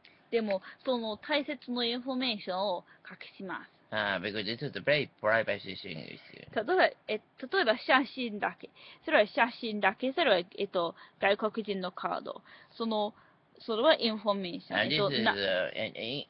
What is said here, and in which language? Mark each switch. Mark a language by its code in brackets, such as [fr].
[ja] でも、その大切なインフォメーションを隠します。 [en] Because this is a very privacy thing issue. [ja] 例えば、写真だけ。それは写真だけ。それは、外国人のカード。それはインフォメーション。